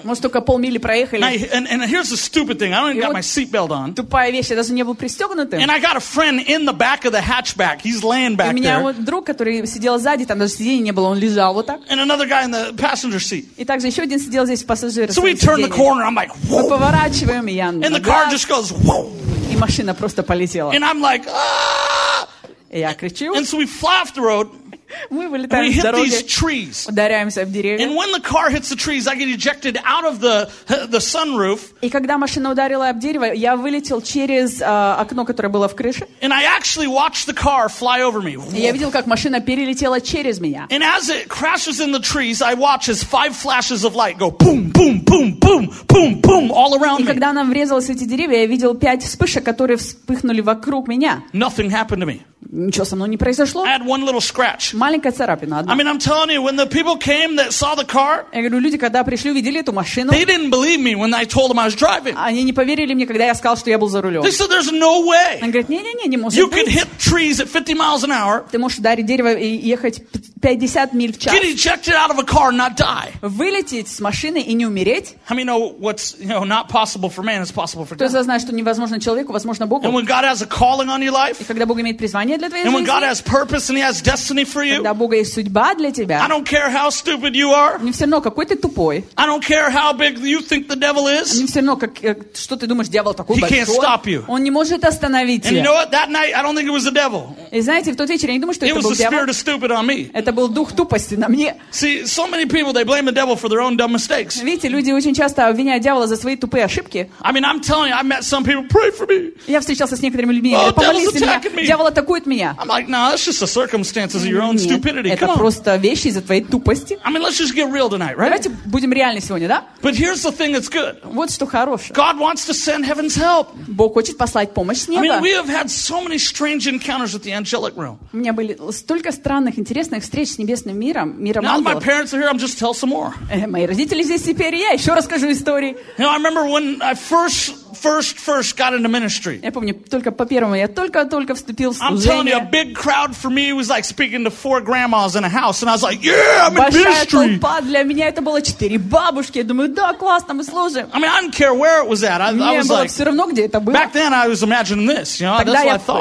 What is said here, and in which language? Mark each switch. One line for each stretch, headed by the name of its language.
Russian: Может только полмили проехали.
English: And here's the стupid thing. I don't even got my seatbelt on.
Russian: Тупая вещь, я даже не был пристегнутым.
English: And I got a friend in the back of the hatchback. He's laying back there.
Russian: У меня вот друг, который сидел сзади, там даже сиденья не было, он лежал вот так.
English: And another guy in the passenger seat.
Russian: И также еще один сидел здесь в пассажирском.
English: So we turn the corner. I'm like, whoa.
Russian: Мы поворачиваем, и я.
English: And the car just goes whoa.
Russian: И машина просто полетела.
English: And I'm like,
Russian: и я кричу.
English: And so we fly off the road.
Russian: Мы вылетаем с дороги.
English: And we hit these trees.
Russian: Ударяемся в деревья.
English: And when the car hits the trees, I get ejected out of the sunroof.
Russian: И когда машина ударила об дерево, я вылетел через окно, которое было в крыше.
English: And I actually watched the car fly over me.
Russian: И я видел, как машина перелетела через меня.
English: And as it crashes in the trees, I watch as five flashes of light go boom, boom, boom, boom, boom, boom all around me.
Russian: И когда она врезалась в эти деревья, я видел пять вспышек, которые вспыхнули вокруг меня.
English: Nothing happened to me.
Russian: Ничего со мной не произошло.
English: I had one little scratch.
Russian: Маленькая царапина одна.
English: I mean, I'm telling you, when the people came that saw the car,
Russian: я говорю, люди, когда пришли, увидели эту машину,
English: they didn't believe me when I told them I was driving.
Russian: Они не поверили мне, когда я сказал, что я был за рулем.
English: They said, there's no way.
Russian: Они говорят, не-не-не, не может
English: you
Russian: быть.
English: You could hit trees at 50 miles an hour.
Russian: Ты можешь ударить дерево и ехать 50 миль в час.
English: Get ejected out of a car and not die.
Russian: Вылететь с машины и не умереть.
English: I mean, know what's, you know, not possible for man is possible for God.
Russian: Кто-то знает, что невозможно человеку, возможно Богу.
English: And when God has a calling on your life,
Russian: и когда Бог имеет призвание для твоей жизни.
English: And when God has purpose and He has destiny for you.
Russian: Когда у Бога есть судьба для тебя.
English: I don't care how stupid you are.
Russian: Мне все равно, какой ты тупой.
English: I don't care how big you think the devil is.
Russian: Мне все равно, как что ты думаешь, дьявол такой большой.
English: He can't stop you.
Russian: Он не может остановить тебя.
English: And you know what? That night I don't think it was the devil.
Russian: И знаете, в тот вечер я не думаю, что это был дьявол.
English: It was the spirit of stupid on me.
Russian: Это был дух тупости на мне.
English: See, so many people they blame the devil for their own dumb mistakes.
Russian: Видите, люди очень часто обвиняют дьявола за свои тупые ошибки.
English: I mean, I'm telling you, I met some people pray for me.
Russian: Я встречался с некоторыми людьми, говорят, помолись за меня. Дьявол атакует меня.
English: I'm like, no, that's just the circumstances of your own stupidity.
Russian: Это просто вещи из-за твоей тупости.
English: I mean, let's just get real tonight, right?
Russian: Давайте будем реальны сегодня, да?
English: But here's the thing that's good.
Russian: Вот что хорошее.
English: God wants to send heaven's help.
Russian: Бог хочет послать помощь с неба.
English: I mean, we have had so many strange encounters with the angelic realm.
Russian: У меня были столько странных, интересных встреч с небесным миром, миром ангелов.
English: Now my parents are here, I'm just tell some more.
Russian: Мои родители здесь теперь, я еще расскажу истории.
English: You know, I remember when I first got into ministry.
Russian: Я помню, только по первому я только-только вступил в служение.
English: I'm telling you, a big crowd for me was like speaking to four grandmas in a house, and I was like, yeah, I'm in ministry.
Russian: Большая толпа для меня, это было четыре бабушки. Я думаю, да, классно, мы служим.
English: I mean, I didn't care where it was at. I was like,
Russian: все равно, где это было.
English: Back then, I was imagining this, you know, that's what I thought.